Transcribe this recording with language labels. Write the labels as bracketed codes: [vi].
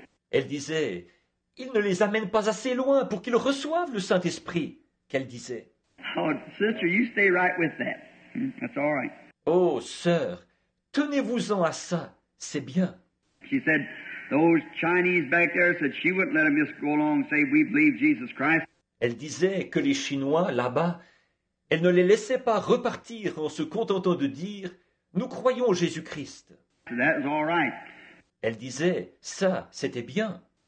[fr] Elle disait, il ne les amène pas assez loin pour qu'ils reçoivent le Saint-Esprit, qu'elle disait. [en] Oh, sister, you stay right with that. That's all right. [fr] Oh, sœur, tenez-vous-en à ça, c'est bien. [en] She said, those Chinese back there said she wouldn't let them just go along and say we believe Jesus Christ. [fr] Elle disait que les Chinois là-bas, elle ne les laissait pas repartir en se contentant de dire. Nous croyons en Jésus-Christ. [en] Right. [fr] Elle disait, ça, c'était bien.